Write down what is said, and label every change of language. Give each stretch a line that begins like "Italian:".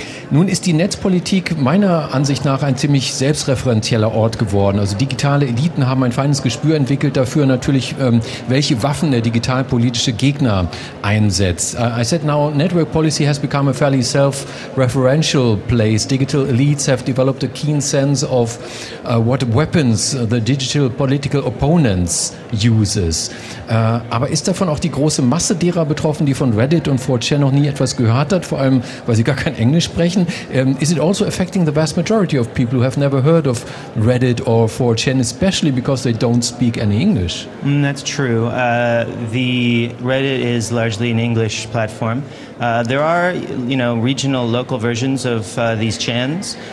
German: Nun ist die Netzpolitik meiner Ansicht nach ein ziemlich selbstreferenzieller Ort geworden. Also digitale Eliten haben ein feines Gespür entwickelt dafür, natürlich, welche Waffen der digitalpolitische Gegner einsetzt.
English: I said now, network policy has become a fairly self-referential place. Digital elites have developed a keen sense of what weapons the digital political opponents uses.
German: Aber ist davon auch die große Masse derer betroffen, die von Reddit und 4chan noch nie etwas gehört hat, vor allem, weil sie gar kein Englisch sprechen?
English: Is it also affecting the vast majority of people who have never heard of Reddit or 4chan, especially because they don't speak any English? That's true. The Reddit is largely an English platform. There are, you know, regional, local versions of these chans.